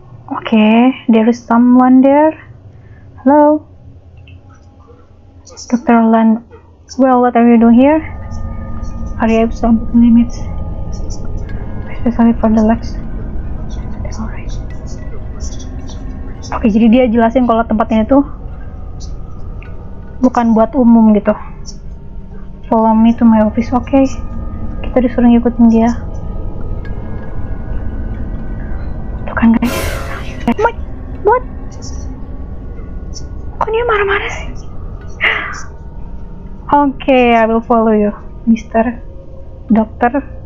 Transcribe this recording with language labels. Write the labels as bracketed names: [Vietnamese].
[English] Oke, okay, there is someone there. Hello, Dr. Land. Well, what are you doing here? Are you have some limits, especially for the legs. [Indonesian] Oke, jadi dia jelasin kalau tempatnya itu bukan buat umum gitu. [English] Follow me to my office, oke. [Indonesian] Okay. Kita disuruh ngikutin dia. Tuh kan guys. [English] Wait, what? [Indonesian] Kok dia marah-marah sih? [English] Oke, okay, I will follow you, Mr. Dokter.